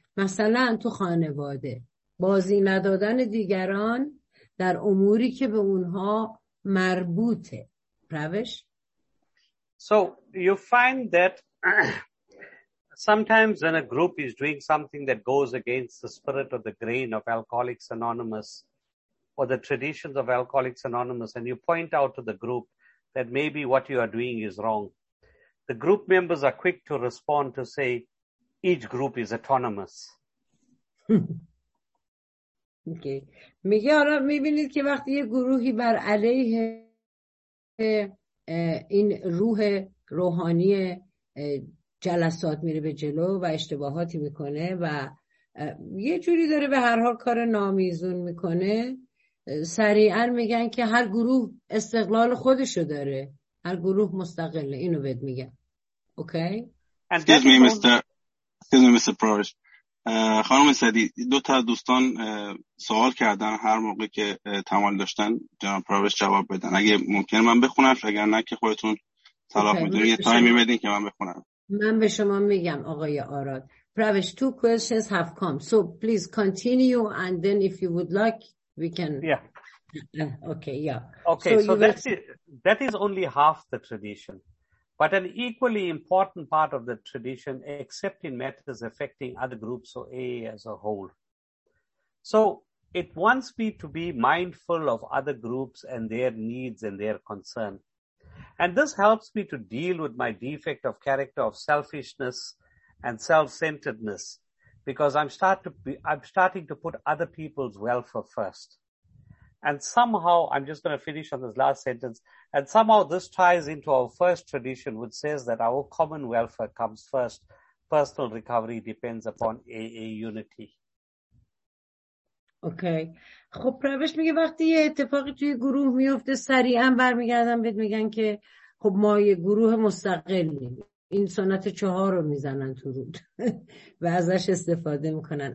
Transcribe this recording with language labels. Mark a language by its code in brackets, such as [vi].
[fa] مثلا تو خانواده بازی ندادن دیگران در اموری که به اونها مربوطه. روش. [en] So you find that sometimes when a group is doing something that goes against the spirit or the grain of Alcoholics Anonymous or the traditions of Alcoholics Anonymous and you point out to the group that maybe what you are doing is wrong, the group members are quick to respond to say each group is autonomous. Okay. [fa] میگه حالا میبینید که وقتی یه گروهی بر علیه این روح روحانی جلسات میره به جلو و اشتباهاتی میکنه و یه جوری داره به هر حال کار نامیزون میکنه، سریعا میگن که هر گروه استقلال خودشو داره، هر گروه مستقله. اینو بهت میگن. اوکی. [en] Excuse me, Mr. Provish. [fa] خانم سدی، دو تا دوستان سوال کردن هر موقع که تمایل داشتن جناب پروش جواب بدن. اگه ممکن من بخونم، اگر نه که خودتون صلاح میدونید یه تایمی بدین که من بخونم. من به شما میگم آقای آراد. پروش، [en] 2 questions have come. So please continue and then if you would like we can. Yeah. Okay, yeah. Okay, so that is only half the tradition. But an equally important part of the tradition, except in matters affecting other groups or AA as a whole. So it wants me to be mindful of other groups and their needs and their concern. And this helps me to deal with my defect of character of selfishness and self-centeredness, because I'm starting to put other people's welfare first. And somehow, I'm just going to finish on this last sentence, and somehow this ties into our first tradition, which says that our common welfare comes first. Personal recovery depends upon AA unity. [fa] اوکی خب روش میگه وقتی یه اتفاقی توی گروه میفته سریعا برمیگردن بهت میگن که خب ما یه گروه مستقلیم، این سنت چهار رو میزنن تو رود و ازش استفاده میکنن.